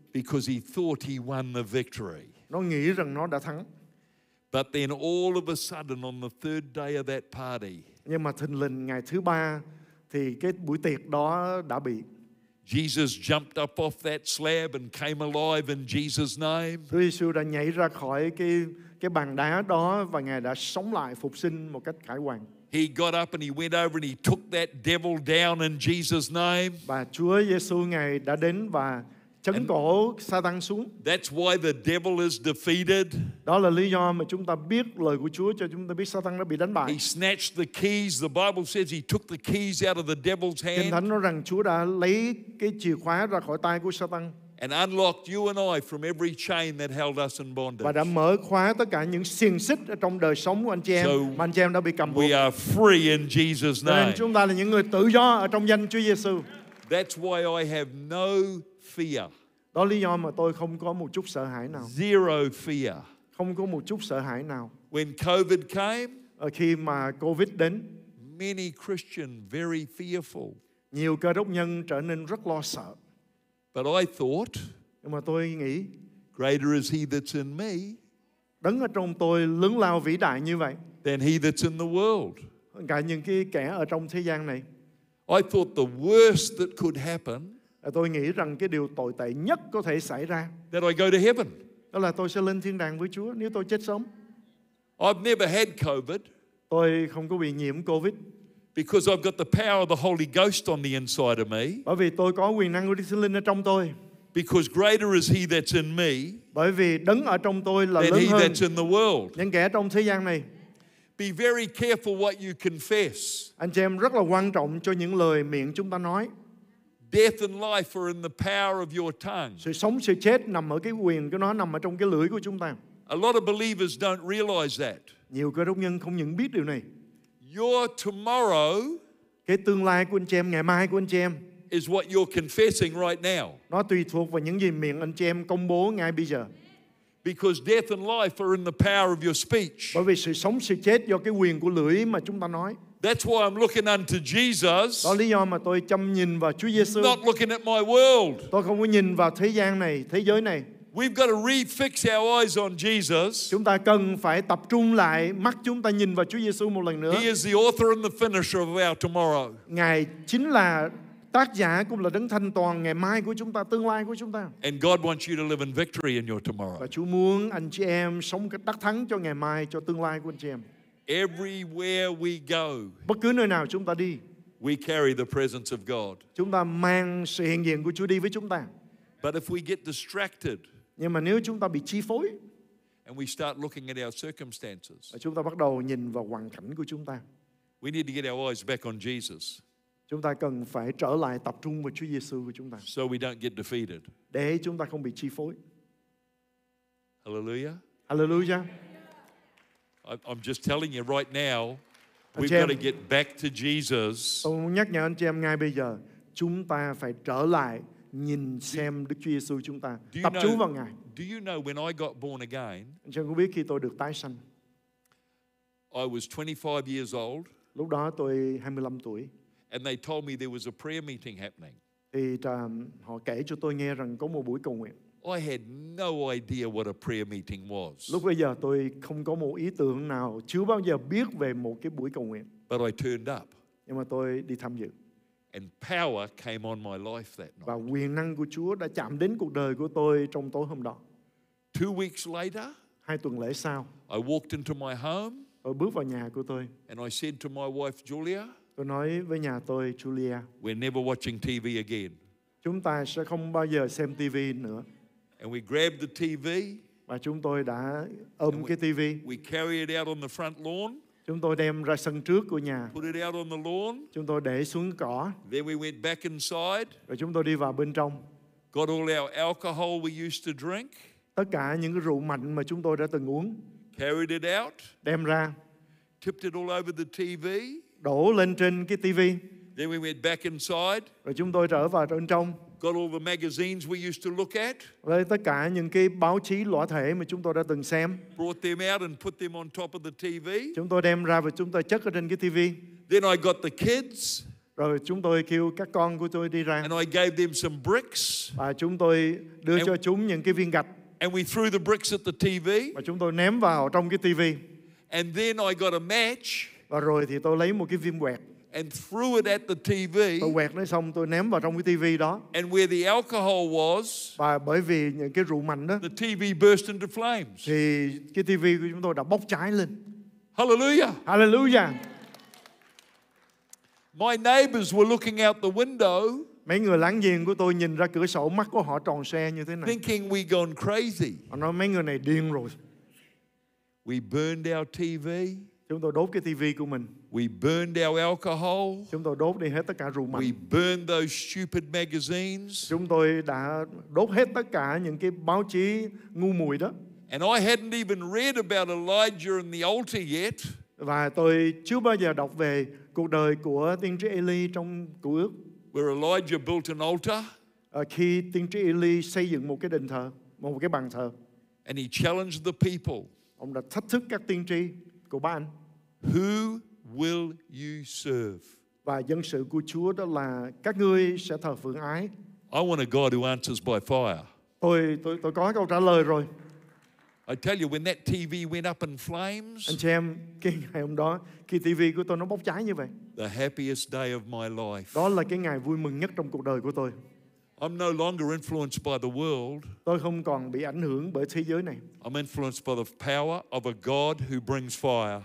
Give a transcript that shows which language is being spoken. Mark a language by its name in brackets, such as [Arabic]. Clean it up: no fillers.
[English] Because he thought he won the victory. [Vietnamese] Nó nghĩ rằng nó đã thắng. [English] But then all of a sudden on the third day of that party. [Vietnamese] Nhưng mà thình lình ngày thứ ba thì cái buổi tiệc đó đã bị. [English] Jesus jumped up off that slab and came alive in Jesus name. [Vietnamese] Chúa Giêsu đã nhảy ra khỏi cái bàn đá đó và Ngài đã sống lại phục sinh một cách khải hoàn. [English] He got up and he went over and he took that devil down in Jesus name. [Vietnamese] Và Chúa Giêsu Ngài đã đến và chấn cổ Satan xuống. [English] That's why the devil is defeated. [Vietnamese] Đó là lý do mà chúng ta biết lời của Chúa cho chúng ta biết Satan đã bị đánh bại. [English] He snatched the keys. The Bible says he took the keys out of the devil's hand. [Vietnamese] Kinh Thánh nói rằng Chúa đã lấy cái chìa khóa ra khỏi tay của Satan. [English] And unlocked you and I from every chain that held us in bondage. [Vietnamese] Và đã mở khóa tất cả những xiềng xích trong đời sống của anh chị em. [English] So [Vietnamese] mà anh chị em đã bị cầm buộc. [English] We are free in Jesus name. [Vietnamese] Nên chúng ta là những người tự do ở trong danh Chúa Giêsu. [English] That's why I have no fear. [Vietnamese] Đó lý do mà tôi không có một chút sợ hãi nào. [English] Zero fear. [Vietnamese] Không có một chút sợ hãi nào. [English] When COVID came, [Vietnamese] khi mà COVID đến, [English] many Christians very fearful. [Vietnamese] Nhiều Cơ Đốc nhân trở nên rất lo sợ. [English] But I thought, [Vietnamese] nhưng mà tôi nghĩ, [English] greater is he that's in me. [Vietnamese] Đấng ở trong tôi lớn lao vĩ đại như vậy. [English] Than he that's in the world. [Vietnamese] Cả những cái kẻ ở trong thế gian này. [English] I thought the worst that could happen. [Vietnamese] Tôi nghĩ rằng cái điều tồi tệ nhất có thể xảy ra. [English] That I go to heaven. [Vietnamese] Đó là tôi sẽ lên thiên đàng với Chúa nếu tôi chết sớm. [English] I've never had COVID. [Vietnamese] Tôi không có bị nhiễm COVID. [English] Because I've got the power of the Holy Ghost on the inside of me. [Vietnamese] Bởi vì tôi có quyền năng của Đức Thánh Linh ở trong tôi. [English] Because greater is he that's in me. [Vietnamese] Bởi vì đấng ở trong tôi là lớn hơn những kẻ trong thế gian này. [English] Be very careful what you confess. [Vietnamese] Anh chị em rất là quan trọng cho những lời miệng chúng ta nói. [English] Death and life are in the power of your tongue. [Vietnamese] Sự sống sự chết nằm ở cái quyền của nó, nằm ở trong cái lưỡi của chúng ta. [English] A lot of believers don't realize that. [Vietnamese] Nhiều Cơ Đốc nhân không nhận biết điều này. [English] Your tomorrow, [Vietnamese] cái tương lai của anh chị em, ngày mai của anh chị em, [English] is what you're confessing right now. [Vietnamese] Nó tùy thuộc vào những gì miệng anh chị em công bố ngay bây giờ. [English] Because death and life are in the power of your speech. [Vietnamese] Bởi vì sự sống sự chết do cái quyền của lưỡi mà chúng ta nói. [English] That's why I'm looking unto Jesus. [Vietnamese] Đó lý do mà tôi chăm nhìn vào Chúa Giêsu. [English] Not looking at my world. [Vietnamese] Tôi không có nhìn vào thế gian này, thế giới này. [English] We've got to refix our eyes on Jesus. [Vietnamese] Chúng ta cần phải tập trung lại mắt chúng ta nhìn vào Chúa Giêsu một lần nữa. [English] He is the author and the finisher of our tomorrow. [Vietnamese] Ngài chính là tác giả cũng là đấng thanh toàn ngày mai của chúng ta, tương lai của chúng ta. [English] And God wants you to live in victory in your tomorrow. [Vietnamese] Và Chúa muốn anh chị em sống đắc thắng cho ngày mai, cho tương lai của anh chị em. [English] Everywhere we go. [Vietnamese] Bất cứ nơi nào chúng ta đi. [English] We carry the presence of God. [Vietnamese] Chúng ta mang sự hiện diện của Chúa đi với chúng ta. [English] But if we get distracted. [Vietnamese] Nhưng mà nếu chúng ta bị chi phối. [English] And we start looking at our circumstances. [Vietnamese] Và chúng ta bắt đầu nhìn vào hoàn cảnh của chúng ta. [English] We need to get our eyes back on Jesus. [Vietnamese] Chúng ta cần phải trở lại tập trung vào Chúa Giêsu của chúng ta. [English] So we don't get defeated. [Vietnamese] Để chúng ta không bị chi phối. [English] Hallelujah. [Vietnamese] Hallelujah. [English] I'm just telling you right now, we've got to get back to Jesus. [Vietnamese] Tôi nhắc nhở anh chị em ngay bây giờ, chúng ta phải trở lại nhìn xem Đức Chúa Giêsu chúng ta, tập trung vào Ngài. [English] Do you know when I got born again? [Vietnamese] Chẳng có biết khi tôi được tái sanh. [English] I was 25 years old. [Vietnamese] Lúc đó tôi 25 tuổi. [English] And they told me there was a prayer meeting happening. [Vietnamese] Thì họ kể cho tôi nghe rằng có một buổi cầu nguyện. [English] I had no idea what a prayer meeting was. [Vietnamese] Lúc bây giờ tôi không có một ý tưởng nào, chưa bao giờ biết về một cái buổi cầu nguyện. [English] But I turned up. [Vietnamese] Nhưng mà tôi đi tham dự. [English] And power came on my life that night. [Vietnamese] Và quyền năng của Chúa đã chạm đến cuộc đời của tôi trong tối hôm đó. [English] 2 weeks later. [Vietnamese] Hai tuần lễ sau. [English] I walked into my home. [Vietnamese] Tôi bước vào nhà của tôi. [English] And I said to my wife Julia. [Vietnamese] Tôi nói với nhà tôi Julia. [English] We're never watching TV again. [Vietnamese] Chúng ta sẽ không bao giờ xem TV nữa. [English] And we grabbed the TV. [Vietnamese] Và chúng tôi đã ôm cái TV. [English] We carry it out on the front lawn. [Vietnamese] Chúng tôi đem ra sân trước của nhà. [English] Put it out on the lawn. [Vietnamese] Chúng tôi để xuống cỏ. [English] Then we went back inside. [Vietnamese] Rồi chúng tôi đi vào bên trong. [English] Got all our alcohol we used to drink. [Vietnamese] Tất cả những cái rượu mạnh mà chúng tôi đã từng uống. [English] Carried it out. [Vietnamese] Đem ra. [English] Tipped it all over the TV. [Vietnamese] Đổ lên trên cái TV. [English] Then we went back inside. [Vietnamese] Rồi chúng tôi trở vào bên trong. [English] Got all the magazines we used to look at. [Vietnamese] Rồi tất cả những cái báo chí lõa thể mà chúng tôi đã từng xem. [English] Brought them out and put them on top of the TV. [Vietnamese] Chúng tôi đem ra và chúng tôi chất ở trên cái TV. [English] Then I got the kids. [Vietnamese] Rồi chúng tôi kêu các con của tôi đi ra. [English] And I gave them some bricks. [Vietnamese] Và chúng tôi đưa cho chúng những cái viên gạch. [English] And we threw the bricks at the TV. [Vietnamese] Và chúng tôi ném vào trong cái TV. [English] And then I got a match. [Vietnamese] Và rồi thì tôi lấy một cái viên quẹt. [English] And threw it at the TV. [Vietnamese] Tôi quẹt nó xong tôi ném vào trong cái TV đó. [English] And where the alcohol was. [Vietnamese] Và bởi vì những cái rượu mạnh đó. [English] The TV burst into flames. [Vietnamese] Thì cái TV của chúng tôi đã bốc cháy lên. [English] Hallelujah. [Vietnamese] Hallelujah. [English] My neighbors were looking out the window. [Vietnamese] Mấy người láng giềng của tôi nhìn ra cửa sổ, mắt của họ tròn xoe như thế này. [English] Thinking we gone crazy. [Vietnamese] Họ nói mấy người này điên rồi. [English] We burned our TV. [Vietnamese] Chúng tôi đốt cái TV của mình. [English] We burned our alcohol. [Vietnamese] Chúng tôi đốt đi hết tất cả rượu mạnh. [English] We burned those stupid magazines. [Vietnamese] Chúng tôi đã đốt hết tất cả những cái báo chí ngu muội đó. [English] And I hadn't even read about Elijah and the altar yet. [Vietnamese] Và tôi chưa bao giờ đọc về cuộc đời của tiên tri Eli trong Cựu Ước. [English] Where Elijah built an altar. [Vietnamese] Khi tiên tri Eli xây dựng một cái đền thờ, một cái bàn thờ. [English] And he challenged the people. [Vietnamese] Ông đã thách thức các tiên tri của ba anh. [English] Who will you serve? [Vietnamese] Và dân sự của Chúa đó là các ngươi sẽ thờ phượng ai? [English] I want a God who answers by fire. [Vietnamese] Tôi có câu trả lời rồi. [English] I tell you, when that TV went up in flames. [Vietnamese] Anh chị em, cái ngày hôm đó, khi TV của tôi nó bốc cháy như vậy. [English] The happiest day of my life. [Vietnamese] Đó là cái ngày vui mừng nhất trong cuộc đời của tôi. [English] I'm no longer influenced by the world. [Vietnamese] Tôi không còn bị ảnh hưởng bởi thế giới này. [English] I'm influenced by the power of a God who brings fire.